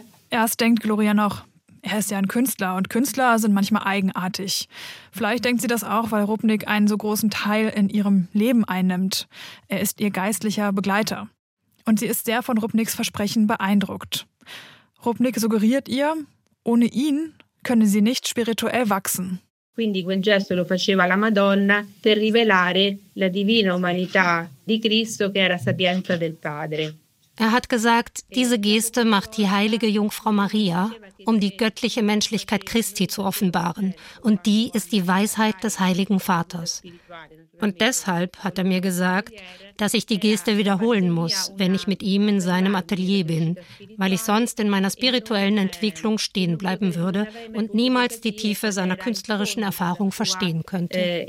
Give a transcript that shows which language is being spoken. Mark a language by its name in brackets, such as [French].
[German] Erst denkt Gloria noch, er ist ja ein Künstler und Künstler sind manchmal eigenartig. Vielleicht denkt sie das auch, weil Rupnik einen so großen Teil in ihrem Leben einnimmt. Er ist ihr geistlicher Begleiter. Und sie ist sehr von Rupniks Versprechen beeindruckt. Rupnik suggeriert ihr, ohne ihn könne sie nicht spirituell wachsen. [Italian] Quindi quel gesto lo faceva la Madonna per rivelare la divina umanità di Cristo che era sapienza del Padre. [German] Er hat gesagt, diese Geste macht die heilige Jungfrau Maria, um die göttliche Menschlichkeit Christi zu offenbaren. Und die ist die Weisheit des heiligen Vaters. Und deshalb hat er mir gesagt, dass ich die Geste wiederholen muss, wenn ich mit ihm in seinem Atelier bin, weil ich sonst in meiner spirituellen Entwicklung stehen bleiben würde und niemals die Tiefe seiner künstlerischen Erfahrung verstehen könnte.